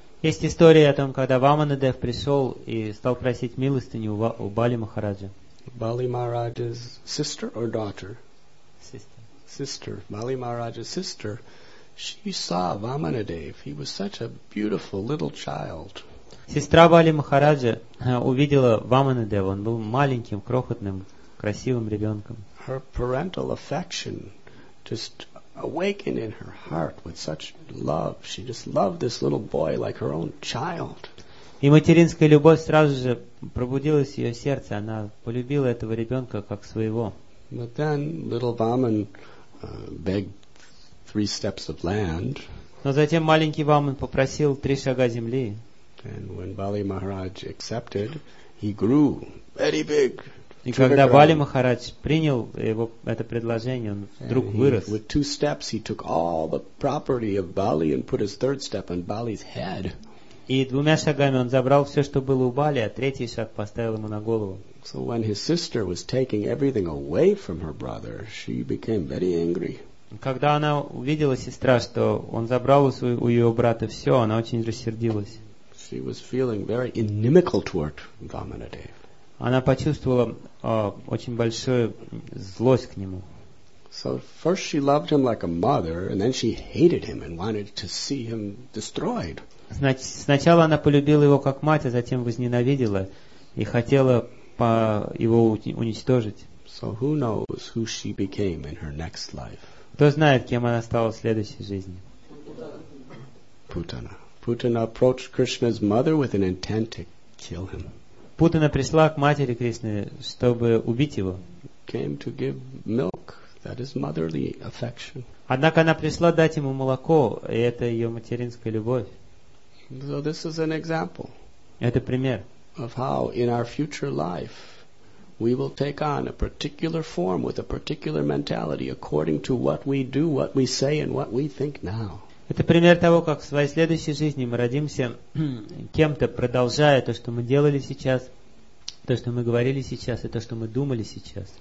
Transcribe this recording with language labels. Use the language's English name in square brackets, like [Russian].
[Russian] Есть история о том, когда Vamanadev пришел и стал просить милостыню у Бали Махараджа. [English] Bali Maharaj's sister or daughter? Sister. Sister. Bali Maharaj's sister. She saw Vamanadev. He was such a beautiful little child. [Russian] Сестра Бали Махараджа увидела Vamanadev. Он был маленьким, крохотным, красивым ребенком. [English] Her parental affection just awakened in her heart with such love. She just loved this little boy like her own child. [Russian] И материнская любовь сразу же пробудилась в ее сердце. Она полюбила этого ребенка как своего. [English] But then little Vaman begged 3 steps of land. [Russian] Но затем маленький Ваман попросил 3 шага земли. [English] And when Bali Maharaj accepted, he грew very big. [Russian] И когда Бали Махарадж принял его это предложение, он вдруг вырос. [English] With 2 steps, he took all the property of Bali and put his 3rd step on Bali's head. [Russian] И 2 шагами он забрал все, что было у Бали, а 3-й шаг поставил ему на голову. [English] So when his sister was taking everything away from her brother, she became very angry. [Russian] Когда она увидела сестра, что он забрал у ее брата все, она очень рассердилась. [English] She was feeling very inimical toward Vamanadev. [Russian] Она почувствовала очень большую злость к нему. [English] So first she loved him like a mother, and then she hated him and wanted to see him destroyed. [Russian] Значит, сначала она полюбила его как мать, а затем возненавидела и хотела его уничтожить. [English] So who knows who she became in her next life? [Russian] Кто знает, кем она стала в следующей жизни? [English] Putana. Putana approached Krishna's mother with an intent to kill him. [Russian] Путана пришла к матери Кришны, чтобы убить его. [English] Came to give milk. That is motherly affection. [Russian] Однако она пришла дать ему молоко, и это ее материнская любовь. [English] So this is an example. [Russian] Это пример. [English] Of how in our future life we will take on a particular form with a particular mentality according to what we do, what we say, and what we think now. [Russian] Это пример того, как в своей следующей жизни мы родимся кем-то, продолжая то, что мы делали сейчас, то, что мы говорили сейчас, и то, что мы думали сейчас.